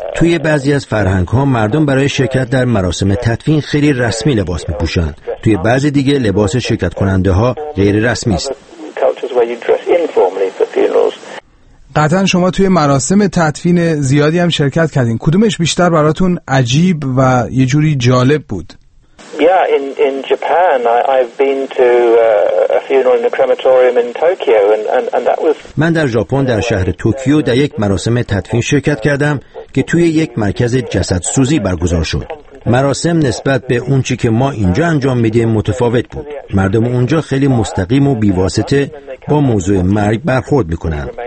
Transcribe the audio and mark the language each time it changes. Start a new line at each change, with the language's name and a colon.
Persian: توی بعضی از فرهنگ‌ها مردم برای شرکت در مراسم تدفین خیلی رسمی لباس می‌پوشند. توی بعضی دیگه لباس شرکت کننده‌ها غیر رسمی است. قطعا شما توی مراسم تدفین زیادی هم شرکت کردین. کدومش بیشتر براتون عجیب و یه جوری جالب بود؟
English: In Japan I've been to a funeral in a crematorium in Tokyo and that was
Persian: من در ژاپن در شهر توکیو در یک مراسم تدفین شرکت کردم که توی یک مرکز جسدسوزی برگزار شد. مراسم نسبت به اون چی که ما اینجا انجام میدیم متفاوت بود. مردم اونجا خیلی مستقیم و بیواسطه با موضوع مرگ برخورد میکنن.